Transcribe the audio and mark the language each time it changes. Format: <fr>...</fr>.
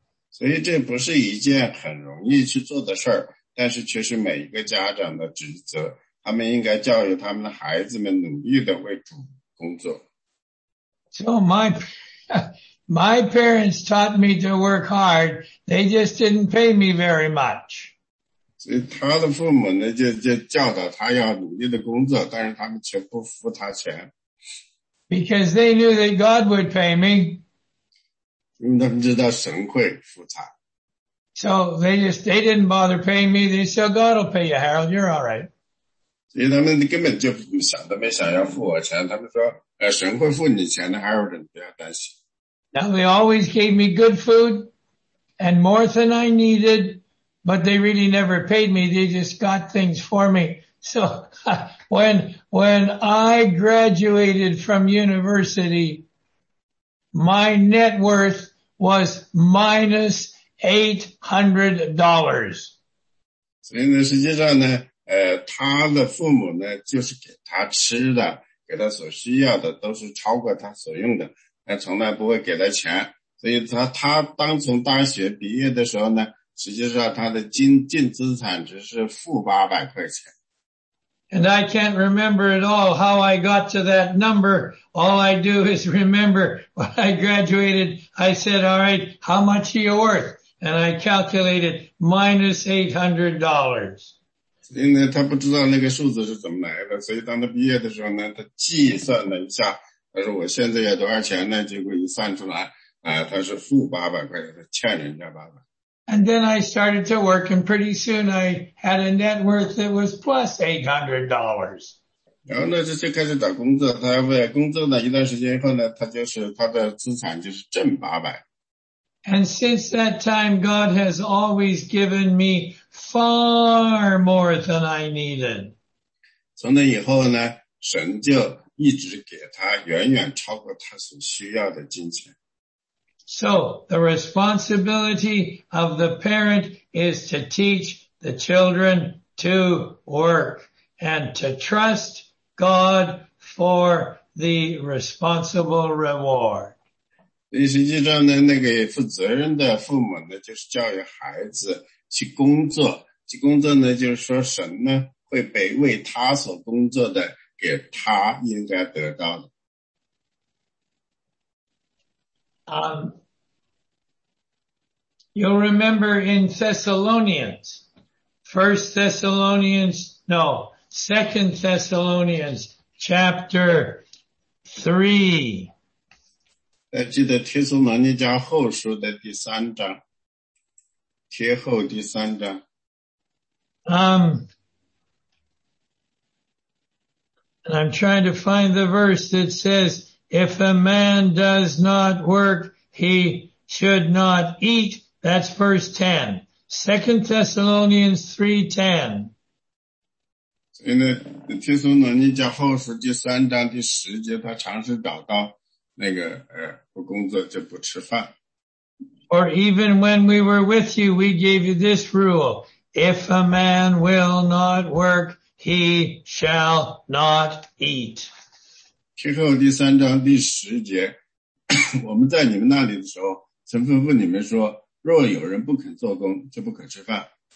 <zh>所以这不是一件很容易去做的事儿，但是却是每一个家长的职责。他们应该教育他们的孩子们努力的为主工作。</zh> <en>So my parents taught me to work hard. They just didn't pay me very much.</en> <zh>所以他的父母呢就教导他要努力的工作，但是他们却不付他钱。</zh> <en>Because they knew that God would pay me.</en> <zh>因为他们知道神会付他。</zh> <en>So they didn't bother paying me. They said, God will pay you, Harold. You're all right.</en> <zh>所以他们根本就想都没想要付我钱，他们说神会付你钱的 ，Harold， 你不要担心。</zh> <en>Now they always gave me good food and more than I needed, but they really never paid me. They just got things for me. So when I graduated from university, my net worth was minus $800.</en> <zh>所以呢，实际上呢，他的父母呢，就是给他吃的。给他所需要的都是超过他所用的，他从来不会给他钱，所以他当从大学毕业的时候呢，实际上他的净资产只是负800块钱。</zh> <en>And I can't remember at all how I got to that number. All I do is remember when I graduated, I said, all right, how much are you worth? And I calculated minus $800.</en> <zh>所以呢，他不知道那个数字是怎么来的，所以当他毕业的时候呢，他计算了一下，他说我现在有多少钱呢？结果一算出来，他是负800块钱，他欠人家800。</zh> <en>And then I started to work, and pretty soon I had a net worth that was plus $800.</en> <zh>然后呢，就开始找工作，他为了工作呢，一段时间以后呢，他就是他的资产就是正800。</zh> <en>And since that time, God has always given me far more than I needed.</en> <zh>从那以后呢，神就一直给他远远超过他所需要的金钱。</zh> <en>So the responsibility of the parent is to teach the children to work and to trust God for the responsible reward.</en> <zh>所以实际上呢，那个负责任的父母呢，就是教育孩子去工作。去工作呢，就是说神呢会被为他所工作的给他应该得到的。</zh> <en>You'll remember in Thessalonians, First Thessalonians, no, Second Thessalonians, Chapter 3.</en> <zh>记得帖撒罗尼迦后书的第三章，帖后第三章。</zh> <en>And I'm trying to find the verse that says, if a man does not work, he should not eat. That's verse 10. Second Thessalonians 3:10.</en> <zh>所以呢，帖撒罗尼迦后书第三章第十节，他尝试祷告。那个不工作就不吃饭。</zh> <en>Or even when we were with you, we gave you this rule. If a man will not work, he shall not eat.</en> <zh>帖后第三章第十节，我们在你们那里的时候，曾吩咐你们说，若有人不肯做工，就不可吃饭。</zh>